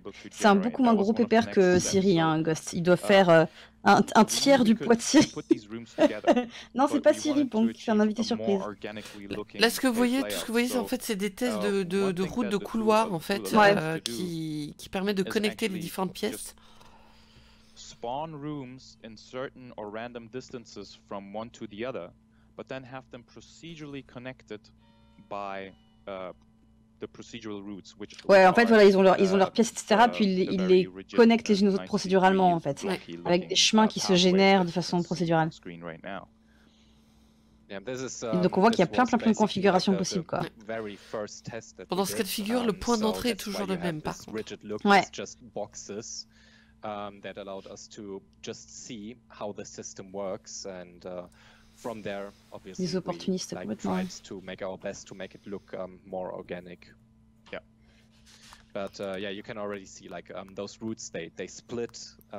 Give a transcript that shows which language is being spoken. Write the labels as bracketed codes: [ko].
[fr] C'est un beaucoup moins gros pépère que Siri, hein, Ghost. Il doit faire un tiers du poids de Siri. Non, c'est pas Siri, bon, c'est un invité surprise. Là, ce que vous voyez, tout ce que vous voyez, en fait, c'est des tests de routes, de couloirs, en fait, qui permettent de connecter les différentes pièces. [en] Spawn rooms in certain or random distances from one to the other, but then have them procedurally connected by the procedural routes, which [fr] ouais, en fait, voilà, ils ont leurs pièces, etc. Puis ils les connectent les unes aux autres procéduralement, en fait, ouais. Avec des chemins qui se génèrent de façon procédurale. [en] Right, [fr] et donc on voit qu'il y a plein de configurations possibles, quoi. Pendant ce cas de figure, le point d'entrée est toujours le même, par contre. Look, ouais. [en] Just boxes, that allowed us to just see how the system works and from there, obviously, [fr] les opportunistes [en] we, [fr] complètement. [en] Like, tried to make our best to make it look more organic. Yeah. But yeah, you can already see like those roots they split.